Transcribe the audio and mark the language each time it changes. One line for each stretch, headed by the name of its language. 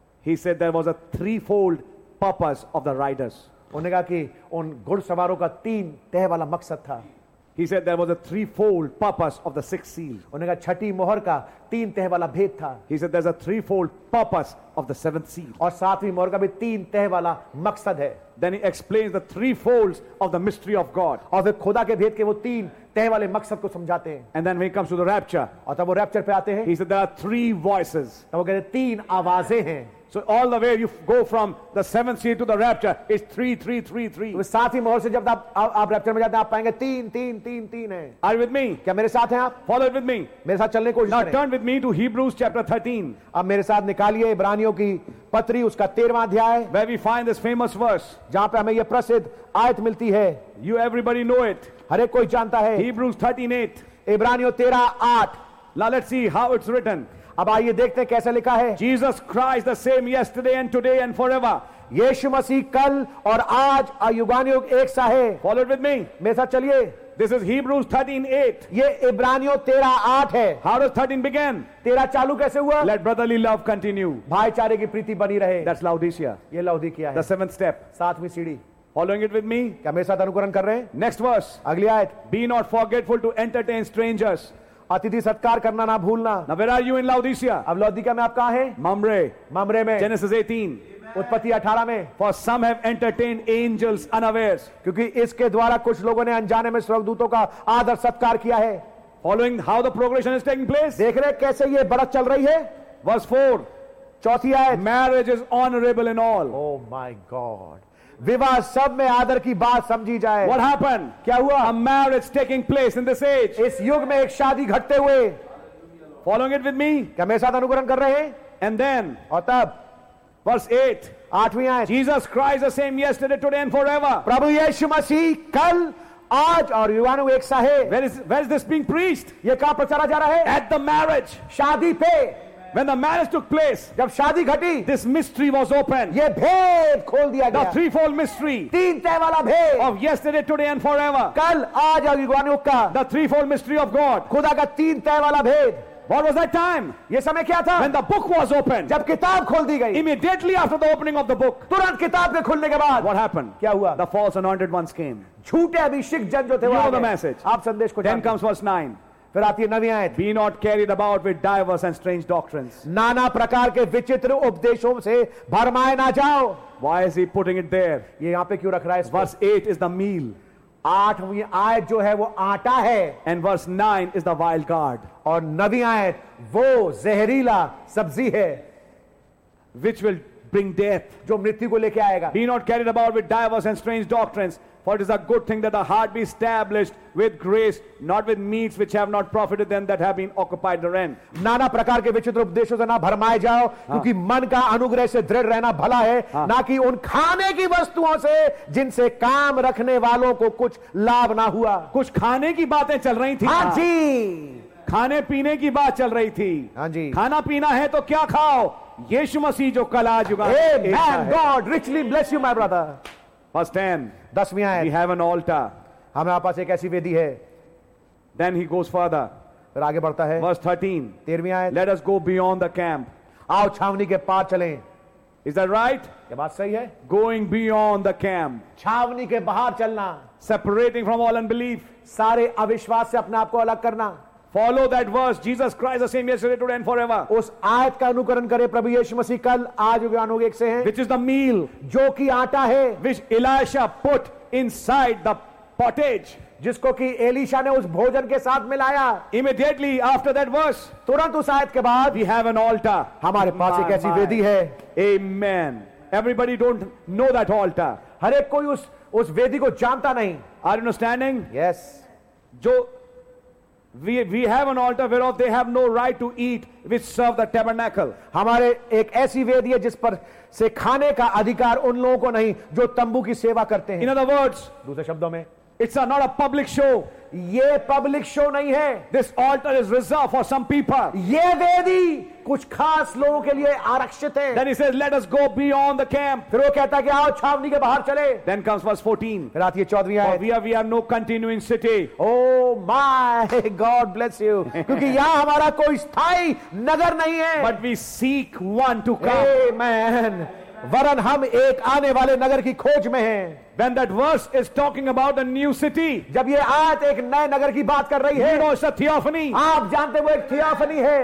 English: He said there was a threefold purpose of the riders.
Hindi: उन्होंने कहा कि उन घुड़सवारों का तीन तह वाला मकसद था.
English: He said there was a threefold purpose of the sixth seal.
Hindi: उन्होंने कहा छठी मोहर का तीन तह वाला भेद था.
English: He said there's a threefold purpose of the seventh seal.
Hindi: और सातवीं मोहर का भी तीन तह वाला मकसद है.
English: Then he explains the threefolds of the mystery of God.
Hindi: और फिर खुदा के भेद के वो तीन तह वाले मकसद को समझाते हैं.
English: And then when he comes to the rapture.
Hindi: और तब वो रैप्चर पे आते हैं.
English: He said there are three voices.
Hindi: तब वो कहते हैं तीन आवाजें हैं.
English: So all the way you go from the seventh seal to the rapture is 3, 3, 3, 3.
Hindi: वो साथी मोहर से जब आप रैप्चर में जाते हैं आप पाएंगे 3, 3, 3, 3 हैं.
English: Are you with me?
Hindi: क्या मेरे साथ हैं आप?
English: Follow it with me.
Hindi: मेरे साथ चलने को.
English: Now turn with me to Hebrews chapter 13.
Hindi: अब मेरे साथ निकालिए इब्रानियों की पत्री उसका 13वां अध्याय.
English: Where we find this famous verse.
Hindi: जहाँ पे हमें ये प्रसिद्ध आयत मिलती है.
English: You everybody know it.
Hindi: हर एक कोई जानता है.
English: Hebrews 13:8.
Hindi: इब्रानियों 13:8.
English: Now let's see how it's written.
Hindi: अब आइए देखते हैं कैसे लिखा है.
English: Jesus Christ the same yesterday and today and forever.
Hindi: यीशु मसीह कल और आज युगानुयुग एक सा है.
English: Follow it with me.
Hindi: मेरे साथ चलिए.
English: This is Hebrews 13:8.
Hindi: ये इब्रानियों 13:8 है.
English: How does 13 begin?
Hindi: 13 चालू कैसे हुआ?
English: Let brotherly love continue.
Hindi: भाईचारे की प्रीति बनी रहे.
English: That's Laodicea.
Hindi: ये लौदीकिया है.
English: The seventh step.
Hindi: सातवीं सीढ़ी.
English: Following it with me.
Hindi: क्या मेरे साथ अनुकरण कर रहे हैं?
English: Next verse.
Hindi: अगली आयत.
English: Be not forgetful to entertain strangers.
Hindi: अतिथि सत्कार करना ना भूलना.
English: Now where are you in Laodicea?
Hindi: अब लौदीकिया में आप कहाँ हैं? मम्रे में.
English: Genesis 18.
Hindi: उत्पत्ति 18 में.
English: For some have entertained angels unawares.
Hindi: क्योंकि इसके द्वारा कुछ लोगों ने अनजाने में स्वर्गदूतों का आदर सत्कार किया है.
English: Following how the progression is taking place.
Hindi: देख रहे कैसे ये बढ़त चल रही है.
English: Verse 4.
Hindi: चौथी आयत.
English: Marriage is honorable in all. Oh my God.
Hindi: विवाह सब में आदर की बात समझी जाए.
English: What happened?
Hindi: क्या हुआ?
English: A marriage taking place in this age.
Hindi: इस युग में एक शादी घटते हुए.
English: Following it with me.
Hindi: क्या मेरे साथ अनुकरण कर रहे हैं?
English: And then.
Hindi: और तब.
English: Verse 8.
Hindi: आठवीं आयत.
English: Jesus Christ the same yesterday, today and forever.
Hindi: प्रभु यीशु मसीह कल आज और युगानुयुग एक सा है.
English: Where is this being preached?
Hindi: ये कहाँ प्रचारा जा रहा है?
English: At the marriage.
Hindi: शादी पे.
English: When the marriage took place,
Hindi: जब शादी घटी,
English: this mystery was opened.
Hindi: ये भेद खोल दिया गया.
English: The threefold mystery.
Hindi: तीन तह वाला भेद.
English: Of yesterday, today, and forever.
Hindi: कल, आज और युगानुयुग का.
English: The threefold mystery of God.
Hindi: खुदा का तीन तह वाला भेद.
English: What was that time?
Hindi: ये समय क्या था?
English: When the book was opened.
Hindi: जब किताब खोल दी गई.
English: Immediately after the opening of the book.
Hindi: तुरंत किताब के खुलने के बाद.
English: What happened?
Hindi: क्या हुआ?
English: The false anointed ones came.
Hindi: झूठे अभिषिक जन जो थे वो.
English: You know the message.
Hindi: आप संदेश को.
English: Then comes verse 9.
Hindi: फिर आती है नवी आयत.
English: Be not carried about with diverse and strange doctrines.
Hindi: नाना प्रकार के विचित्र उपदेशों से भरमाए ना जाओ.
English: Why is he putting it there?
Hindi: ये यहाँ पे क्यों रख रहा है?
English: Verse 8 is the meal.
Hindi: आठवीं आयत जो है वो आटा है.
English: And verse 9 is the wild card.
Hindi: और नवी आयत वो जहरीला सब्जी है.
English: Which will bring death.
Hindi: जो मृत्यु को लेके आएगा.
English: Be not carried about with diverse and strange doctrines. For it is a good thing that the heart be established with grace, not with meats which have not profited them that have been occupied therein.
Hindi: नाना प्रकार के विचित्र उपदेशों से ना भरमाए जाओ, क्योंकि मन का अनुग्रह से दृढ़ रहना भला है, ना कि उन खाने की वस्तुओं से जिनसे काम रखने वालों को कुछ लाभ ना हुआ. कुछ खाने की बातें चल रही थी. हाँ जी. खाने पीने की बात चल रही थी. हाँ जी. खाना पीना है तो क्या खाओ? यीशु मसीह जो कल आ चुका.
English: Amen. God richly bless you, my brother. First 10.
Hindi: दसवीं आयत.
English: We have an altar.
Hindi: हमारे पास एक ऐसी वेदी है.
English: Then he goes further.
Hindi: फिर आगे बढ़ता है.
English: Verse 13.
Hindi: तेरहवीं आयत.
English: Let us go beyond the camp.
Hindi: आओ छावनी के पार चलें.
English: Is that right?
Hindi: ये बात सही है.
English: Going beyond the camp.
Hindi: छावनी के बाहर चलना.
English: Separating from all unbelief.
Hindi: सारे अविश्वास से अपने आप को अलग करना.
English: Follow that verse. Jesus Christ the same yesterday, today and forever.
Hindi: उस आयत का अनुकरण करें. प्रभु यीशु मसीह कल आज युगानुयुग एक से हैं.
English: Which is the meal.
Hindi: जो कि आटा है.
English: Which Elisha put inside the pottage.
Hindi: जिसको कि एलिशा ने उस भोजन के साथ मिलाया.
English: Immediately after that verse.
Hindi: तुरंत उस आयत के बाद.
English: We have an altar.
Hindi: हमारे पास एक ऐसी वेदी है.
English: Amen. Everybody don't know that altar.
Hindi: हर एक कोई उस वेदी को जानता नहीं.
English: Are you understanding? Yes.
Hindi: जो
English: We have an altar whereof they have no right to eat which serve the tabernacle.
Hindi: हमारे एक ऐसी वेदी है जिस पर से खाने का अधिकार उन लोगों को नहीं जो तंबू की सेवा करते हैं.
English: In other words,
Hindi: दूसरे शब्दों में,
English: It's not a public show.
Hindi: ये पब्लिक शो नहीं है.
English: This altar is reserved for some people.
Hindi: ये वेदी कुछ खास लोगों के लिए आरक्षित है.
English: Then he says, let us go beyond the camp.
Hindi: फिर वो कहता है कि आओ छावनी के बाहर चले.
English: Then comes verse 14.
Hindi: फिर आती है 14वीं आयत.
English: We are no continuing city. Oh my God bless you.
Hindi: क्योंकि यहाँ हमारा कोई स्थाई नगर नहीं है.
English: But we seek one to come. Amen.
Hindi: वरन हम एक आने वाले नगर की खोज में हैं.
English: When that verse is talking about a new city,
Hindi: जब ये आयत एक नए नगर की बात कर रही है,
English: you know, theophany.
Hindi: आप जानते हैं वो एक थियोफनी है.